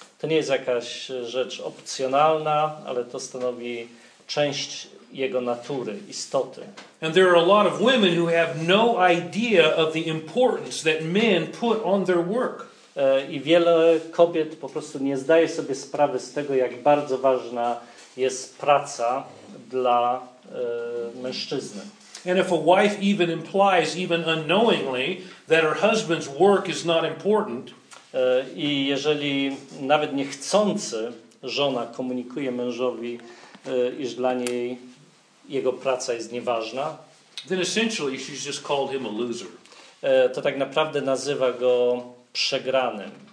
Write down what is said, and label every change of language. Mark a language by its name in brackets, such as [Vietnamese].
[Polish] To nie jest jakaś rzecz opcjonalna, ale to stanowi część jego natury, istoty. [English] And there are a lot of women who have no idea of the importance that men put on their work. [Polish] I wiele kobiet po prostu nie zdaje sobie sprawy z tego, jak bardzo ważna jest praca dla mężczyzny. [English] And if a wife even implies, even unknowingly, that her husband's work is not important, [Polish] i jeżeli nawet niechcący żona komunikuje mężowi, iż dla niej jego praca jest nieważna, [English] then essentially she's just called him a loser. [Polish] To tak naprawdę nazywa go przegranym.